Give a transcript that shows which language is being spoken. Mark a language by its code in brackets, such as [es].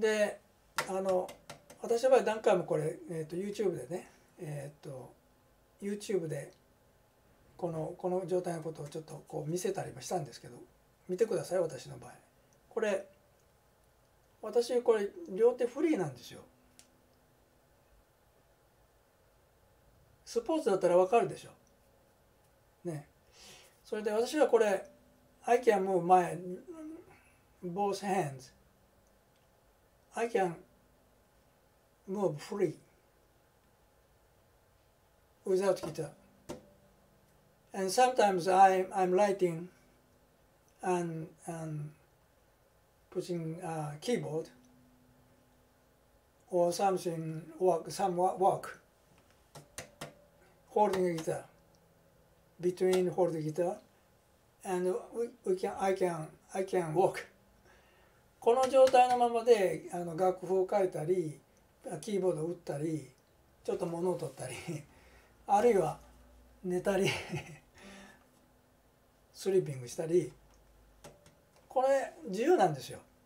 [ja] で、あの私の場合何回もこれ、YouTube でね、YouTube でこの状態のことをちょっとこう見せたりもしたんですけど、見てください私の場合。これ私これ両手フリーなんですよ。スポーツだったらわかるでしょ。ね、それで私はこれ [en] I can move my both hands I can move free without guitar and sometimes I'm writing and pushing a keyboard or something work holding a guitarbetween hold the guitar and I can walk。 [ja] この状態のままであの楽譜を書いたりキーボードを打ったりちょっと物を取ったりあるいは寝たりスリーピングしたり、これ自由なんですよ。